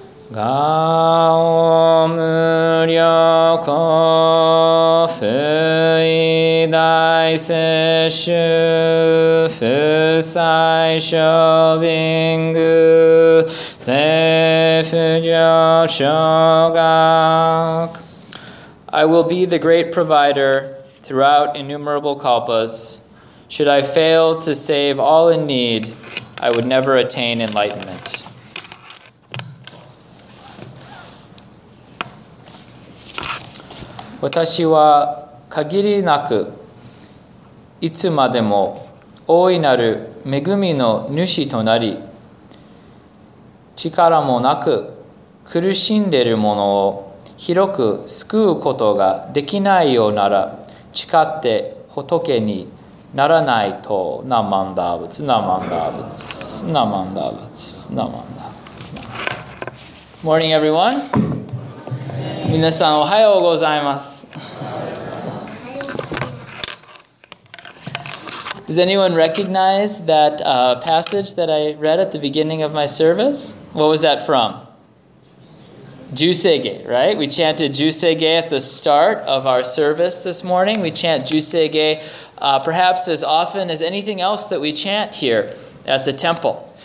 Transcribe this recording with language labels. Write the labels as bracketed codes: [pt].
[ja] ガオムリョコフイダイセシュフサイショビングセフジョショガク。 [en] I will be the great provider throughout innumerable kalpas. Should I fail to save all in need, I would never attain enlightenment. [ja] 私は限りなくいつまでも大いなる恵みの主となり、力もなく苦しんでいる者を広く救うことができないようなら、誓って仏にならないと。ナマンダーブツ、ナマンダーブツ、ナマンダーブツ、ナマンダーブツ。 [en] Morning, everyone. [ja] 皆さん、おはようございます。 [en] Does anyone recognize that passage that I read at the beginning of my service? What was that from? Jusege, right? We chanted Jusege at the start of our service this morning. We chant Jusege perhaps as often as anything else that we chant here at the temple.